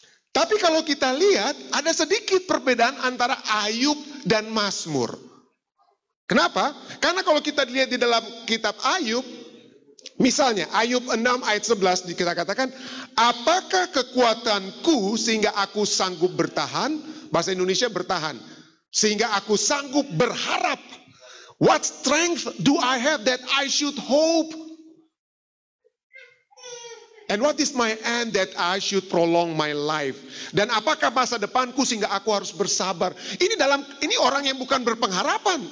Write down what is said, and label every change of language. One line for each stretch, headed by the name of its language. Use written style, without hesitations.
Indonesian: Tapi kalau kita lihat ada sedikit perbedaan antara Ayub dan Mazmur. Kenapa? Karena kalau kita lihat di dalam kitab Ayub, misalnya Ayub 6 ayat 11 kita katakan, apakah kekuatanku sehingga aku sanggup bertahan? Bahasa Indonesia bertahan. Sehingga aku sanggup berharap.
English: What strength do I have that I should hope? And what is my end that I should prolong my life?
Indonesian: Dan apakah masa depanku sehingga aku harus bersabar? Ini orang yang bukan berpengharapan.